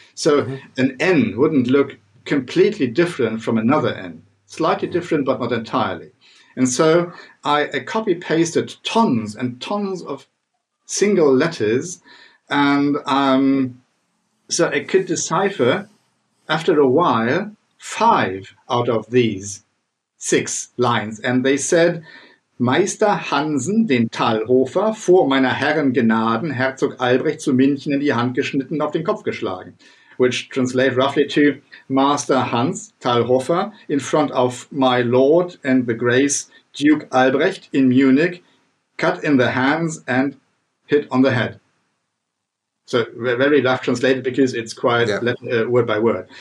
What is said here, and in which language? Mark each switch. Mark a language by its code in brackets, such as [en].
[en] So an N wouldn't look completely different from another N, slightly different, but not entirely. And so I copy pasted tons and tons of single letters, and so I could decipher, after a while, five out of these six lines. And they said, [de] Meister Hansen, den Talhofer, vor meiner Herren Gnaden, Herzog Albrecht zu München in die Hand geschnitten, auf den Kopf geschlagen. [en] Which translates roughly to, Master Hans, Talhofer, in front of my lord and the grace, Duke Albrecht in Munich, cut in the hands and hit on the head. So very rough translated, because it's quite word by word.